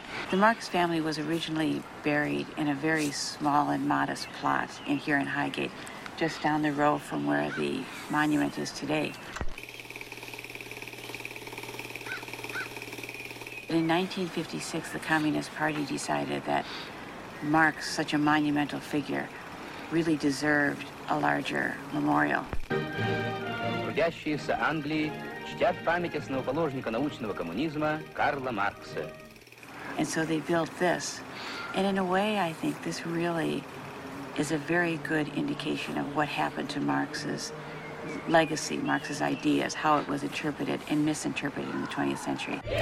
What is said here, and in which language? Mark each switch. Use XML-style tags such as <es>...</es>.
<en>The Marx family was originally buried in a very small and modest plot in here in Highgate, just down the road from where the monument is today. In 1956, the Communist Party decided that Marx, such a monumental figure, really deserved a larger memorial.</en> <ru>Трудящиеся Англии чтят память основоположника научного коммунизма Карла Маркса.</ru> <en>And so they built this. And in a way, I think this really is a very good indication of what happened to Marx's legacy, Marx's ideas, how it was interpreted and misinterpreted in the 20th century.</en>